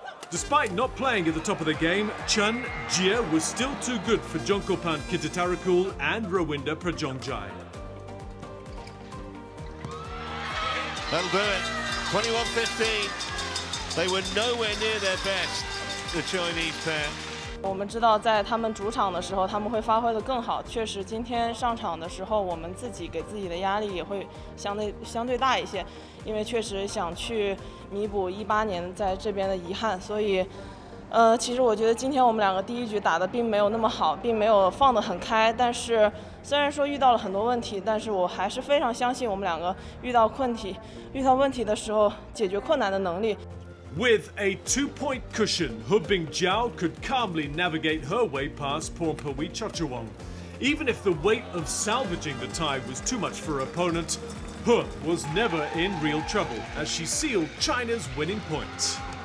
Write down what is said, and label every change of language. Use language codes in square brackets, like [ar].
[en] Despite not playing at the top of the game, Chen, Jia was still too good for Jongkopan Kittitarakul and Rawinder Prajongjai. That'll do it. 21-15. They were nowhere near their best, the Chinese pair. [zh] 我们知道在他们主场的时候他们会发挥得更好，确实今天上场的时候我们自己给自己的压力也会相对大一些，因为确实想去弥补18年在这边的遗憾，所以其实我觉得今天我们两个第一局打得并没有那么好，并没有放得很开，但是虽然说遇到了很多问题，但是我还是非常相信我们两个遇到问题的时候解决困难的能力。 [en] With a two-point cushion, Hubing Zhao could calmly navigate her way past Pornpawee Chachawong. Even if the weight of salvaging the tie was too much for her opponent, He was never in real trouble as she sealed China's winning point.